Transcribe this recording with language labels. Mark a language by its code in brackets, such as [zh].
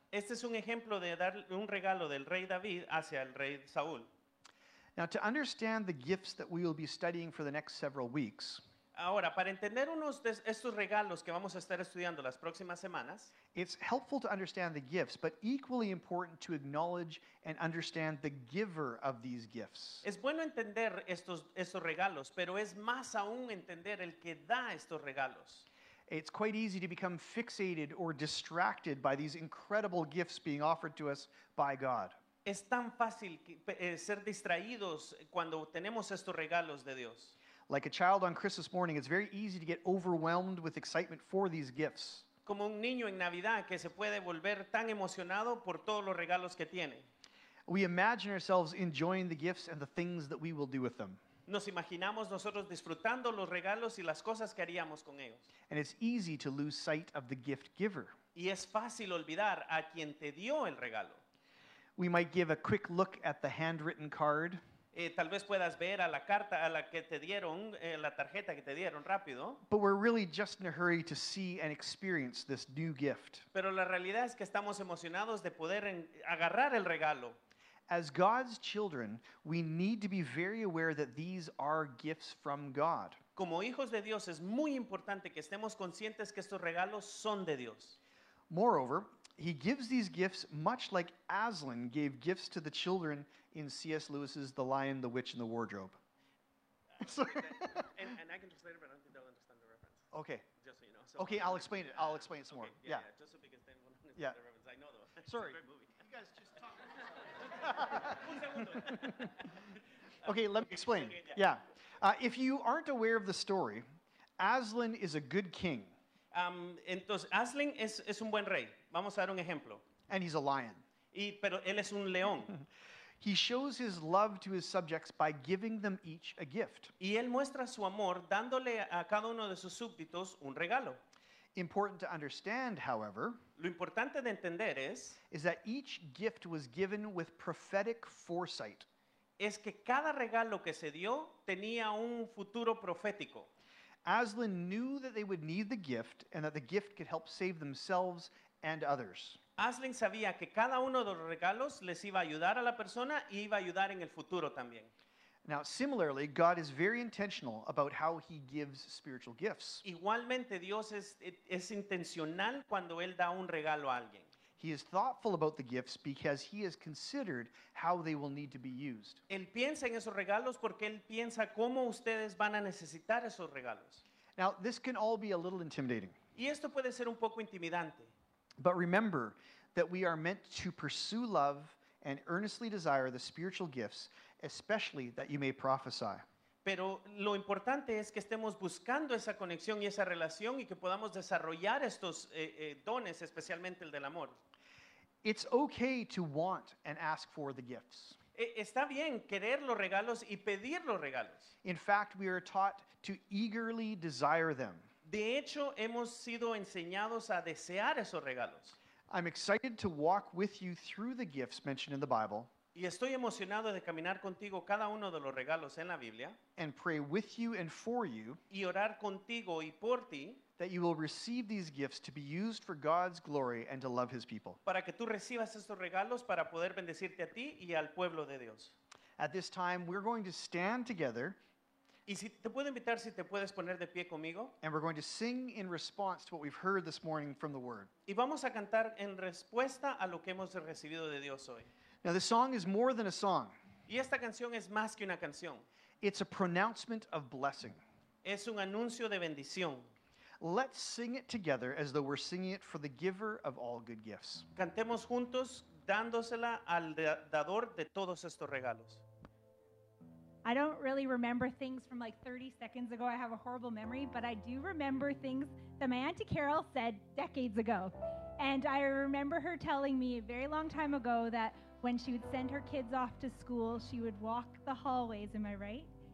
[es] Este es un ejemplo de dar un regalo del rey David hacia el rey Saúl. [en] Now, to understand the gifts that we will be studying for the next several weeks, [es] ahora, para entender unos de estos regalos que vamos a estar estudiando las próximas semanas, [en] it's helpful to understand the gifts, but equally important to acknowledge and understand the giver of these gifts. [es] Es bueno entender estos regalos, pero es más aún entender el que da estos regalos. [en] It's quite easy to become fixated or distracted by these incredible gifts being offered to us by God. [es] Es tan fácil ser distraídos cuando tenemos estos regalos de Dios. [en] Like a child on Christmas morning, it's very easy to get overwhelmed with excitement for these gifts. [es] Como un niño en Navidad que se puede volver tan emocionado por todos los regalos que tiene. [en] We imagine ourselves enjoying the gifts and the things that we will do with them. [es] Nos imaginamos nosotros disfrutando los regalos y las cosas que haríamos con ellos. [en] And it's easy to lose sight of the gift giver. [es] Y es fácil olvidar a quien te dio el regalo. [en] We might give a quick look at the handwritten card. [es] Tal vez puedas ver a la carta a la que te dieron, la tarjeta que te dieron, rápido. [en] But we're really just in a hurry to see and experience this new gift. [es] Pero la realidad es que estamos emocionados de poder agarrar el regalo. [en] As God's children, we need to be very aware that these are gifts from God. [es] Como hijos de Dios, es muy importante que estemos conscientes que estos regalos son de Dios. [en] Moreover, He gives these gifts much like Aslan gave gifts to the children in C.S. Lewis's The Lion, the Witch, and the Wardrobe. And I can translate it, but I don't think they'll understand the reference. Okay. Just so you know. Okay, I'll explain it. I'll explain it some okay, more. Yeah. Just so because they won't understand the reference. I know, though. Sorry. It's a great movie. You guys just talk. Okay, let me explain. Yeah. If you aren't aware of the story, Aslan is a good king. [es] Entonces, Aslan es un buen rey. Vamos a dar un ejemplo. [en] And he's a lion. [es] Pero él es un león. [en] He shows his love to his subjects by giving them each a gift. [es] Y él muestra su amor dándole a cada uno de sus súbditos un regalo. [en] Important to understand, however, [es] lo importante de entender es [en] that each gift was given with prophetic foresight. [es] Es que cada regalo que se dio tenía un futuro profético. [en] Aslan knew that they would need the gift and that the gift could help save themselves and others. [es] Aslan sabía que cada uno de los regalos les iba a ayudar a la persona y iba a ayudar en el futuro también. [en] Now, similarly, God is very intentional about how he gives spiritual gifts. [es] Igualmente, Dios es intencional cuando él da un regalo a alguien. [en] He is thoughtful about the gifts because he has considered how they will need to be used. [es] Él piensa en esos regalos porque él piensa cómo ustedes van a necesitar esos regalos. [en] Now, this can all be a little intimidating. [es] Y esto puede ser un poco intimidante. [en] But remember that we are meant to pursue love and earnestly desire the spiritual gifts, especially that you may prophesy. [es] Pero lo importante es que estemos buscando esa conexión y esa relación y que podamos desarrollar estos dones, especialmente el del amor. [en] It's okay to want and ask for the gifts. [es] Está bien querer los regalos y pedir los regalos. [en] In fact, we are taught to eagerly desire them. [es] De hecho, hemos sido enseñados a desear esos regalos. [en] I'm excited to walk with you through the gifts mentioned in the Bible. [es] Y estoy emocionado de caminar contigo cada uno de los regalos en la Biblia. [en] And pray with you and for you. [es] Y orar contigo y por ti. [en] That you will receive these gifts to be used for God's glory and to love his people. [es] Para que tú recibas estos regalos para poder bendecirte a ti y al pueblo de Dios. [en] At this time, we're going to stand together. [es] Y si te puedo invitar, si te puedes poner de pie conmigo. [en] And we're going to sing in response to what we've heard this morning from the Word. [es] Y vamos a cantar en respuesta a lo que hemos recibido de Dios hoy. [en] Now, this song is more than a song. [es] Y esta canción es más que una canción. [en] It's a pronouncement of blessing. [es] Es un anuncio de bendición. [en] Let's sing it together as though we're singing it for the giver of all good gifts. [es] Cantemos juntos dándosela al dador de todos estos regalos. [en] I don't really remember things from like 30 seconds ago. I have a horrible memory, but I do remember things that my Auntie Carol said decades ago. And I remember her telling me a very long time ago that when she would send her kids off to school, she would walk the hallways, am I right?